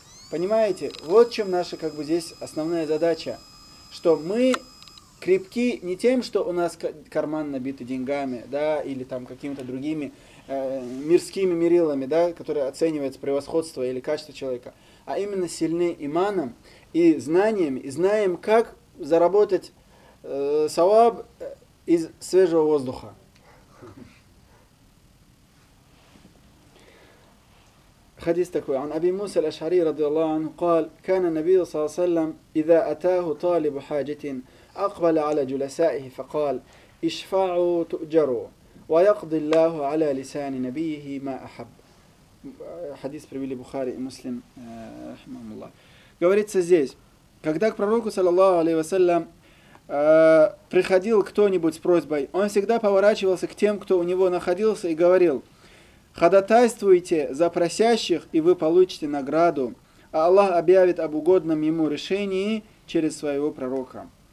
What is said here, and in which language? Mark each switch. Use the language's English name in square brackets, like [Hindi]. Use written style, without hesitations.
[Russian] Понимаете, вот в чем наша, как бы, здесь основная задача, что мы крепки не тем, что у нас карман набит деньгами, да, или там какими-то другими мирскими мерилами, да, которые оцениваются превосходство или качество человека, а именно сильны иманом и знаниями, и знаем, как заработать саваб из свежего воздуха. [Arabic] حديث [Russian] такой [Arabic] عن أبي موسى الأشعري رضي الله عنه قال كان النبي صلى الله عليه وسلم إذا أتاه طالب حاجة أقبل على جلسائه فقال اشفعوا تؤجروا ويقضي الله على لسان نبيه ما أحب. [Russian] حديث привели Бухари и Муслим [Arabic] رحمهم الله. [Russian] Говорится здесь, когда к пророку саллаллаху алейхи ва саллям приходил кто-нибудь с просьбой, он всегда поворачивался к тем, кто у него находился, и говорил: «Ходатайствуйте за просящих, и вы получите награду, а Аллах объявит об угодном ему решении через своего пророка».